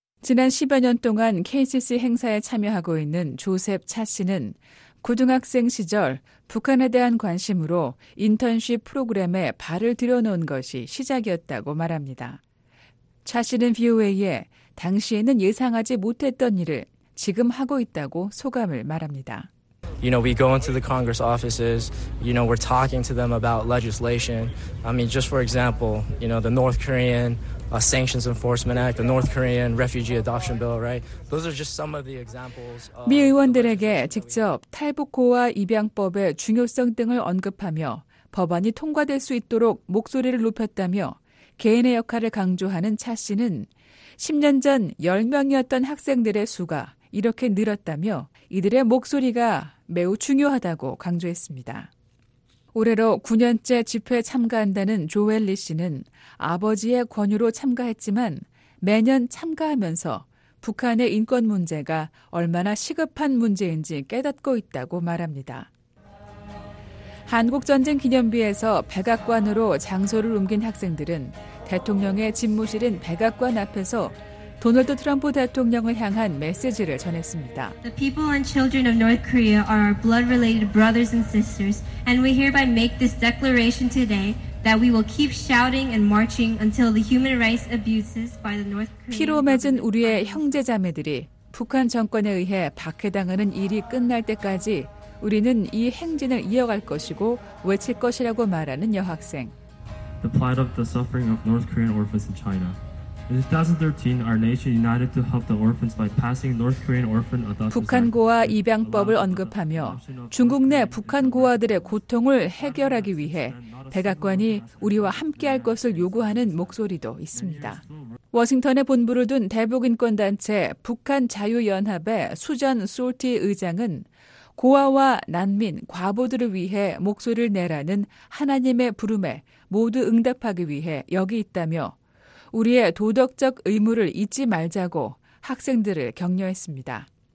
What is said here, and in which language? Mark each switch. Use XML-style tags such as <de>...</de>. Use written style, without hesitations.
<ko>지난 10여 년 동안 KCC 행사에 참여하고 있는 조셉 차 씨는 고등학생 시절 북한에 대한 관심으로 인턴십 프로그램에 발을 들여놓은 것이 시작이었다고 말합니다. 차 씨는 VOA에 당시에는 예상하지 못했던 일을 지금 하고 있다고 소감을 말합니다.</ko> <en>You know, we go into the Congress offices, you know, we're talking to them about legislation. I mean, just for example, you know, the North Korean Sanctions Enforcement Act, the North Korean Refugee Adoption Bill, right? Those are just some of the examples.</en> <ko>미 의원들에게 직접 탈북고와 입양법의 중요성 등을 언급하며 법안이 통과될 수 있도록 목소리를 높였다며 개인의 역할을 강조하는 차 씨는 10년 전 10명이었던 학생들의 수가 이렇게 늘었다며 이들의 목소리가 매우 중요하다고 강조했습니다. 올해로 9년째 집회에 참가한다는 조엘리 씨는 아버지의 권유로 참가했지만 매년 참가하면서 북한의 인권 문제가 얼마나 시급한 문제인지 깨닫고 있다고 말합니다. 한국전쟁 기념비에서 백악관으로 장소를 옮긴 학생들은 대통령의 집무실인 백악관 앞에서 도널드 트럼프 대통령을 향한 메시지를 전했습니다.</ko> <en>The people and children of North Korea are our blood-related brothers and sisters, and we hereby make this declaration today that we will keep shouting and marching until the human rights abuses by the North Korean</en> <ko>피로 맺은 우리의 형제자매들이 북한 정권에 의해 박해당하는 일이 끝날 때까지 우리는 이 행진을 이어갈 것이고 외칠 것이라고 말하는 여학생.</ko> <en>The plight of the suffering of North Korean orphans in China. In 2013, our nation united to help the orphans by passing North Korean orphan adoption.</en> <ko>북한 고아 입양법을 언급하며 중국 내 북한 고아들의 고통을 해결하기 위해 백악관이 우리와 함께할 것을 요구하는 목소리도 있습니다. 워싱턴에 본부를 둔 대북인권단체 북한자유연합의 수전 솔티 의장은 고아와 난민, 과부들을 위해 목소리를 내라는 하나님의 부름에 모두 응답하기 위해 여기 있다며 우리의 도덕적 의무를 잊지 말자고 학생들을 격려했습니다.</ko>